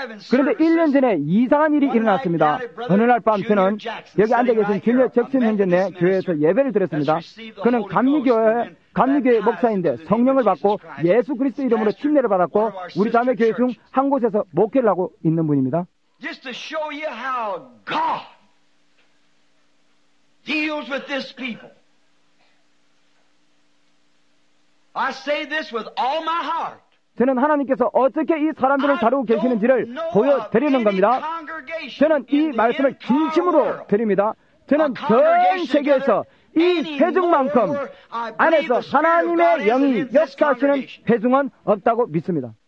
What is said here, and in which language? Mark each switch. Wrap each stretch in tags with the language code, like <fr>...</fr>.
<ko>그런데 1년 전에 이상한 일이 일어났습니다. 어느 날 밤 저는 여기 앉아 계신 주니어 잭슨 형제 내 교회에서 예배를 드렸습니다. 그는 감리교회 목사인데 성령을 받고 예수 그리스도 이름으로 침례를 받았고 우리 자매 교회 중 한 곳에서 목회를 하고 있는 분입니다.</ko> <en>Just to show you how God deals with this people. I say this with all my heart.</en> <ko>저는 하나님께서 어떻게 이 사람들을 다루고 계시는지를 보여드리는 겁니다. 저는 이 말씀을 진심으로 드립니다. 저는 전 세계에서 이 회중만큼 안에서 하나님의 영이 역사하시는 회중은 없다고 믿습니다.</ko>